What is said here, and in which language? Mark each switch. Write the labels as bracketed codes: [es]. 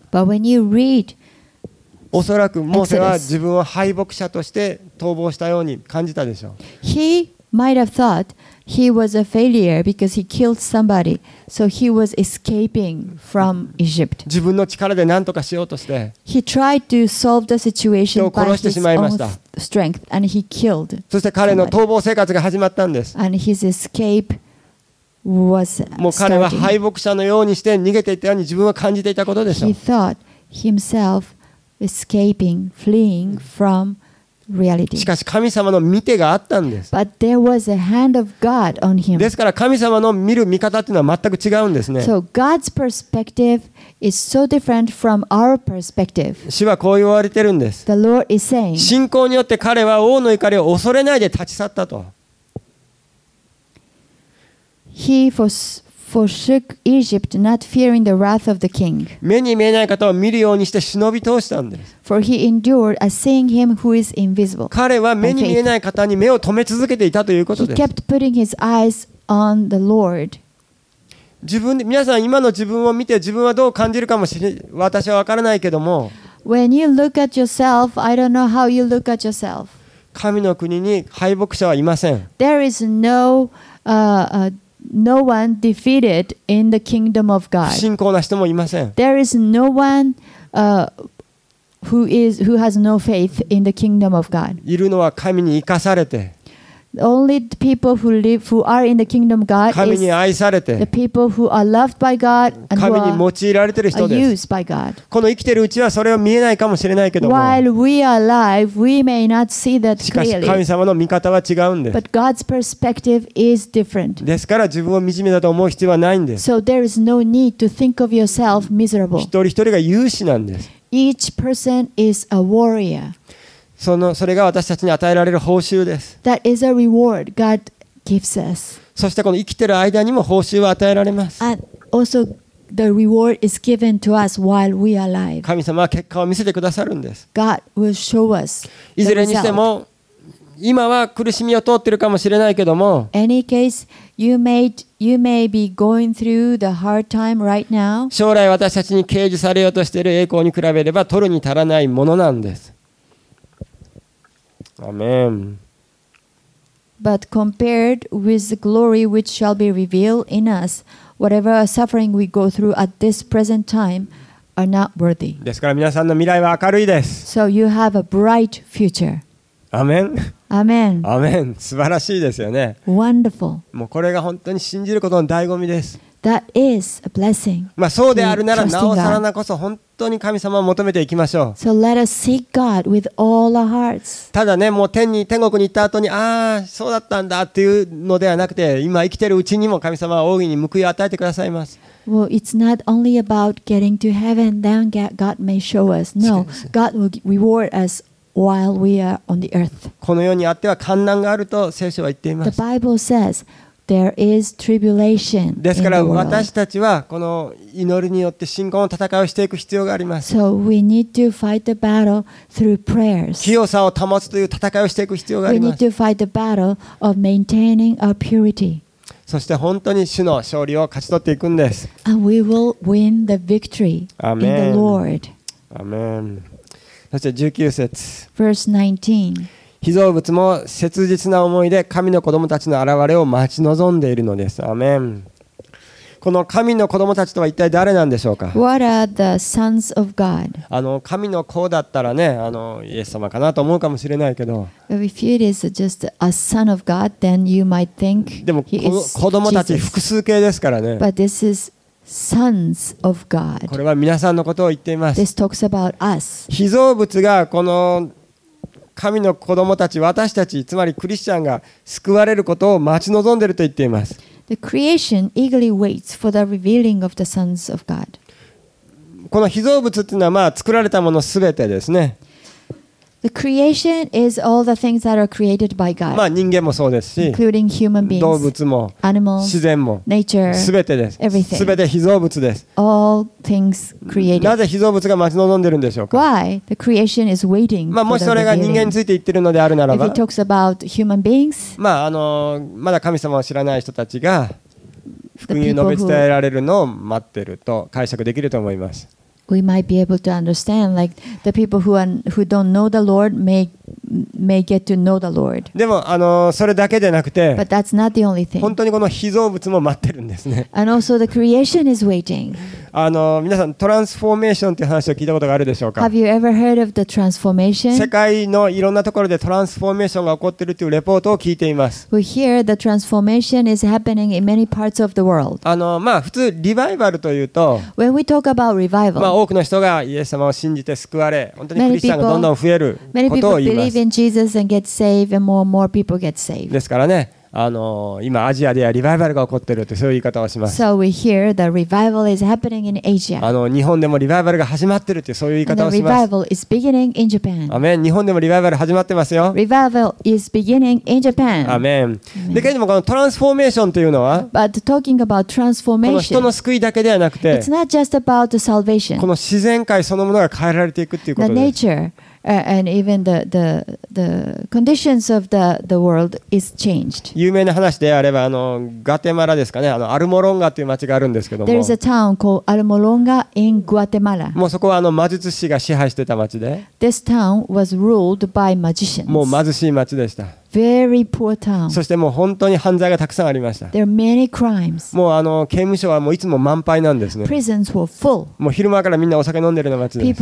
[en] But when you read、 [ja] おそらくモーセは自分を敗北者として逃亡したように感じたでしょう。 [en] He might have thought he was a failure because he killed somebody, so he was escaping from Egypt. [ja] 自分の力で何とかしようとして、 [en] He tried to solve the situation by his own strength and he killed. [ja] そして彼の逃亡生活が始まったんです。 [en] And his escape was starting. [ja] もう彼は敗北者のようにして逃げていたように自分は感じていたことでしょう。 [en] He thought himselfEscaping, fleeing from reality. [ja] しかし神様の見てがあったんです。 [en] But there was a hand of God on him. [ja] ですから神様の見る見方っていうのは全く違うんですね。 [en] So God's perspective is so different from our perspective. [ja] 主はこう言われてるんです。 [en] The Lord is saying, [ja] 信仰によって彼は王の怒りを恐れないで立ち去ったと。 [en] He forsook Egypt, not fearing the wrath of the king. [ja] 目に見えない方を見るようにして忍び通したんです。 [en] For he endured as seeing him who is invisible. [ja] 彼は目に見えない方に目を留め続けていたということです。 [en] He kept putting his eyes on the Lord. [ja] 自分で皆さん今の自分を見て自分はどう感じるかもしれ私は分からないけども。 [en] When you look at yourself, I don't know how you look at yourself. [ja] 神の国に敗北者はいません。 [en] There is no No one defeated in the kingdom of God. [ja] 信仰な人もいません。 [en] There is no one who has no faith in the kingdom of God. [ja] いるのは神に生かされて。 [en] Only the people who are in the kingdom of God is the people who are loved by God and who are used by God. [ja] この生きているうちはそれは見えないかもしれないけども。 [en] While we are alive, we may not see that clearly. [ja] しかし神様の見方は違うんです。 [en] But God's perspective is different. [ja] ですから自分を惨めだと思う必要はないんです。 [en] So there is no need to think of yourself miserable. [ja] 一人一人が勇士なんです。 [en] Each person is a warrior. [ja] それが私たちに与えられる報酬です。 [en] That is a reward God gives us. [ja] そしてこの生きている間にも報酬は与えられます。 [en] And also the reward is given to us while we are alive. [ja] 神様は結果を見せてくださるんです。 [en] God will show us the result. [ja] いずれにしても今は苦しみを通っているかもしれないけども、 [en] Any case, you may be going through the hard time right now. [ja] 将来私たちに掲示されようとしている栄光に比べれば取るに足らないものなんです。 [en] Amen. But compared with the glory which shall be revealed in us, whatever suffering we go through at this present time are not worthy. [ja] ですから皆さんの未来は明るいです。 [en] So you have a bright future. Amen. Amen. [ja] Amen. 素晴らしいですよね。 [en] Wonderful. [ja] もうこれが本当に信じることの醍醐味です。 [en] That is a blessing. [ja] まあそうであるならなおさらなこそ本当に神様を求めていきましょう。 [en] So let us seek God with all our hearts. [ja] ただね、もう天国に行った後にああそうだったんだっていうのではなくて、今生きているうちにも神様は大いに報いを与えてくださいます。 [en] Well, it's not only about getting to heaven. Then God may show us. No, God will reward us while we are on the earth. [ja] この世にあっては患難があると聖書は言っています。 [en] The Bible says. There is tribulation. [ja] ですから私たちはこの祈りによって信仰の戦いをしていく必要があります。 [en] So we need to fight the battle through prayers. [ja] 清さを保つという戦いをしていく必要があります。 [en] We need to fight the battle of maintaining our purity. [ja] そして本当に主の勝利を勝ち取っていくんです。 [en] And we will win the victory in the Lord. [ja] Amen. そして19節。 [en] Verse 19. [ja] 被造物も切実な思いで神の子供たちの現れを待ち望んでいるのです。アメン。この神の子供たちとは一体誰なんでしょうか。 [en] What are the sons of God? [ja] 神の子だったらね、イエス様かなと思うかもしれないけど。 [en] If it is just a son of God, then you might think he is Jesus. [ja] でも子供たち複数形ですからね。 [en] But this is sons of God. [ja] これは皆さんのことを言っています。 [en] This talks about us. [ja] 被造物がこの神の子供たち、私たち、つまりクリスチャンが救われることを待ち望んでいると言っています。 [en] The creation eagerly waits for the revealing of the sons of God. [ja] この被造物というのは、まあ、作られたものすべてですね。 [en] The creation is all the things that are created by God. [ja] まあ人間もそうですし、 [en] including human beings, [ja] 動物も、 [en] animals, [ja] 自然も、 [en] nature, [ja] 全てです。 [en] Everything. [ja] 全て被造物です。 [en] All things created. [ja] なぜ被造物が待ち望んでるんでしょうか。 [en] Why the creation is waiting? [ja] まあもしそれが人間について言ってるのであるならば、 [en] if it talks about human beings, [ja] まあまだ神様を知らない人たちが福音を述べ伝えられるのを待ってると解釈できると思います。 [en] We might be able to understand, like the people who don't know the Lord may get to know the Lord. [ja] でもそれだけでなくて、 [en] but that's not the only thing. [ja] 本当にこの被造物も待ってるんですね。 [en] And also the creation is waiting. [ja] 皆さんトランスフォーメーションという話を聞いたことがあるでしょうか。 [en] Have you ever heard of the transformation? [ja] 世界のいろんなところでトランスフォーメーションが起こっているというレポートを聞いています。 [en] We hear the transformation is happening in many parts of the world. [ja] まあ普通リバイバルというと、 [en] when we talk about revival, [ja] 多くの人がイエス様を信じて救われ、本当にクリスチャンがどんどん増えることを言います。 [en] Believe in Jesus and get saved, and more people get saved. [ja] ですからね、今アジアではリバイバルが起こっているってそういう言い方をします。 [en] So we hear the revival is happening in Asia. [ja] 日本でもリバイバルが始まってるってそういう言い方をします。 [en] And the revival is beginning in Japan. [ja] アメン。日本でもリバイバル始まってますよ。 [en] Revival is beginning in Japan. [ja] アメン。で、けれどもこのトランスフォーメーションというのは、 [en] But talking about transformation, [ja] この人の救いだけではなくて、 [en] It's not just about the salvation. [ja] この自然界そのものが変えられていくっていうことです。 [en] The nature. And even the conditions of the world is changed. [ja] 有名な話であればガテマラですかね、アルモロンガという町があるんですけども。 [en] There is a town called Almoronga in Guatemala. [ja] もうそこは魔術師が支配してた町で。 [en] This town was ruled by magicians. [ja] もう貧しい町でした。 [en] Very poor town. [ja] そしてもう本当に犯罪がたくさんありました。 [en] There are many crimes. [ja] もう刑務所はもういつも満杯なんですね。 [en] Prisons were full. [ja] もう昼間からみんなお酒飲んでるの街です。